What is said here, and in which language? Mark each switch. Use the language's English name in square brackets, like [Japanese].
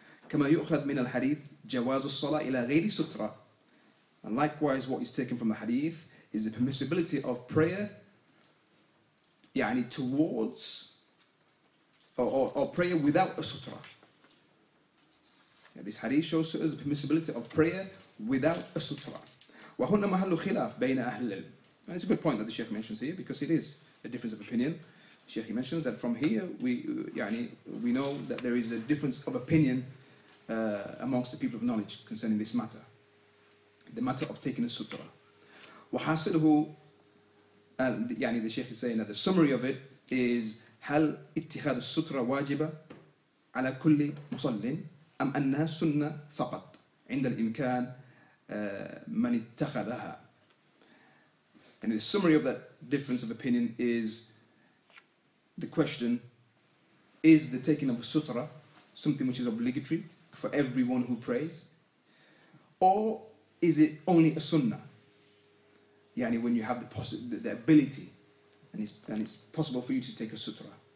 [Arabic] كما يؤخذ من الحديث جواز الصلاة إلى غير سترة. [English] And likewise, what is taken from the hadith is the permissibility of prayer يعني towards or prayer without a sutra. This hadith shows us the permissibility of prayer without a sutra. [Arabic] وهنا محل خلاف بين أهل العلم. [English] And it's a good point that the Sheikh mentions here, because it is a difference of opinion. Sheikh mentions that from here we know that there is a difference of opinion amongst the people of knowledge concerning this matter, the matter of taking a sutra. [Arabic] وحاصله يعني [English] the Sheikh is saying that the summary of it is [Arabic] هل اتخاذ السترة واجبة على كل مصلين أم أنها سنة فقط عند الإمكان من اتخذها. [English] And the summary of that difference of opinion is the question, is the taking of a sutra something which is obligatory for everyone who prays, or is it only a sunnah? Yani when you have the ability and it's possible for you to take a sutra.